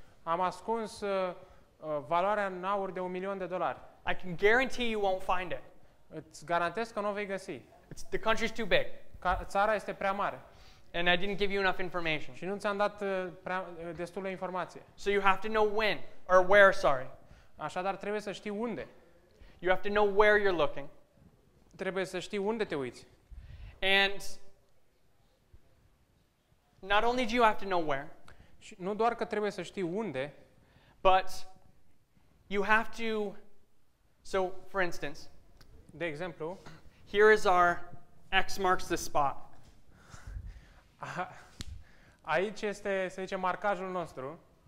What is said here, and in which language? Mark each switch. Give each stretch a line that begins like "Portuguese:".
Romanian: Am ascuns valoarea în aur de $1 million.
English: I can guarantee you won't find it.
Romanian: Îți garantez că nu o vei găsi.
English: The country's too big.
Romanian: Țara este prea mare.
English: And I didn't give you enough information.
Romanian: Și nu ți-am dat destulă informație.
English: So you have to know when or where, sorry.
Romanian: Așadar trebuie să știi unde.
English: You have to know where you're looking.
Romanian: Trebuie să știi unde te uiți.
English: And not only do you have to know where,
Romanian: Și nu doar că trebuie să știi unde,
English: but you have to. So, for instance,
Romanian: de exemplu,
English: here is our X marks the spot.
Romanian: Aici este, să zicem, marcajul nostru.